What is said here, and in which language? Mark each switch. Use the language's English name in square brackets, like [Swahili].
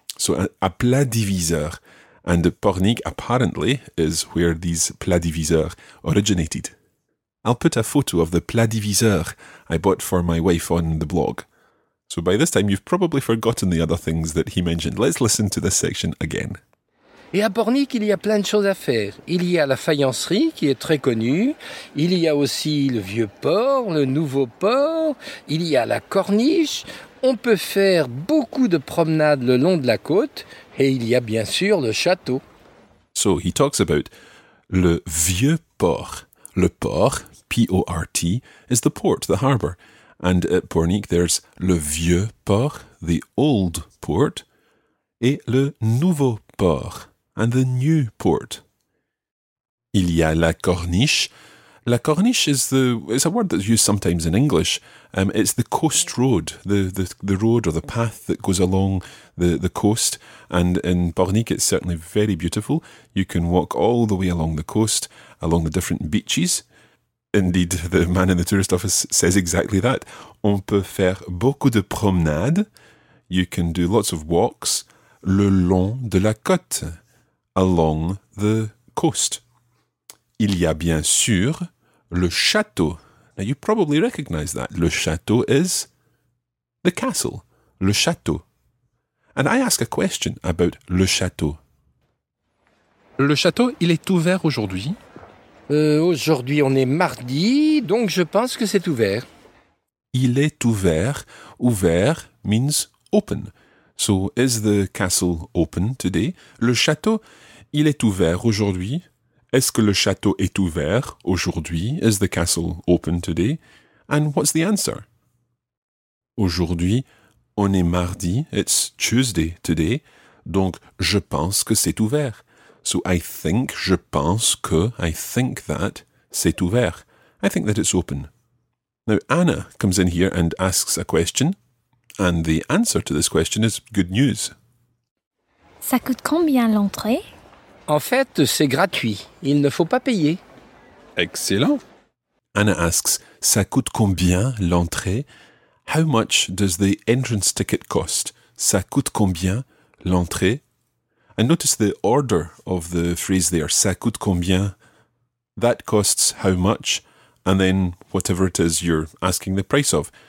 [English] So a plat diviseur. And Pornic, apparently, is where these plat diviseurs originated. I'll put a photo of the plat diviseur I bought for my wife on the blog. So by this time, you've probably forgotten the other things that he mentioned. Let's listen to this section again. [French] Et à Pornic, il y a plein de choses à faire. Il y a la faïencerie, qui est très connue. Il y a aussi le vieux port, le nouveau port. Il y a la corniche. On peut faire beaucoup de promenades le long de la côte. Et il y a bien sûr le château. [English] So he talks about le vieux port. Le port, P-O-R-T, is the port, the harbour. And at Pornic, there's le vieux port, the old port, [French] et le nouveau port, [English] and the new port. [French] Il y a la corniche. [English] La corniche is it's a word that's used sometimes in English. It's the coast road, the road or the path that goes along the coast. And in Pornic, it's certainly very beautiful. You can walk all the way along the coast, along the different beaches. Indeed, the man in the tourist office says exactly that. [French] On peut faire beaucoup de promenades. [English] You can do lots of walks. [French] Le long de la côte. [English] Along the coast. [French] Il y a bien sûr le château. [English] Now you probably recognise that. Le château is the castle. Le château. And I ask a question about le château. [French] Le château, il est ouvert aujourd'hui? Aujourd'hui, on est mardi, donc je pense que c'est ouvert. Il est ouvert. Ouvert [English] means open. So, is the castle open today? [French] Le château, il est ouvert aujourd'hui? Est-ce que le château est ouvert aujourd'hui? [English] Is the castle open today? And what's the answer? [French] Aujourd'hui, on est mardi. [English] It's Tuesday today. [French] Donc, je pense que c'est ouvert. [English] So, I think, [French] je pense que, [English] I think that, [French] c'est ouvert. [English] I think that it's open. Now, Anna comes in here and asks a question. And the answer to this question is good news. [French] Ça coûte combien l'entrée? En fait, c'est gratuit. Il ne faut pas payer. [English] Excellent. Anna asks, [French] ça coûte combien l'entrée? [English] How much does the entrance ticket cost? [French] Ça coûte combien l'entrée? [English] And notice the order of the phrase there. [French] Ça coûte combien? [English] That costs how much? And then whatever it is you're asking the price of.